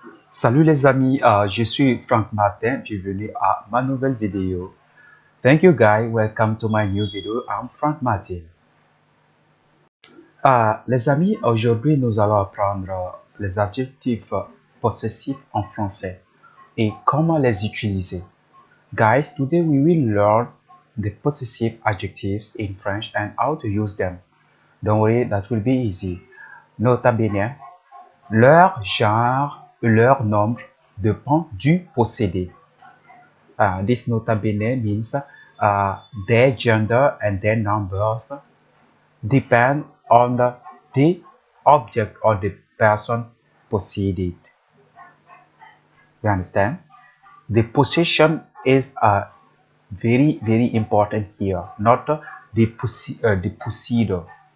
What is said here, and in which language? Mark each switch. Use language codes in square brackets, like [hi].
[fr] Salut les amis, je suis Franck Martin, bienvenue à ma nouvelle vidéo. [en] Thank you guys, welcome to my new video, I'm Franck Martin. [fr] Les amis, aujourd'hui nous allons apprendre les adjectifs possessifs en français et comment les utiliser. [en] Guys, today we will learn the possessive adjectives in French and how to use them. Don't worry, that will be easy. [fr] Nota bene, leur genre, leur nombre dépend du possédé. [en] This nota bene means their gender and their numbers depend on the object or the person possessed. You understand? The possession is very, very important here, not the possessor.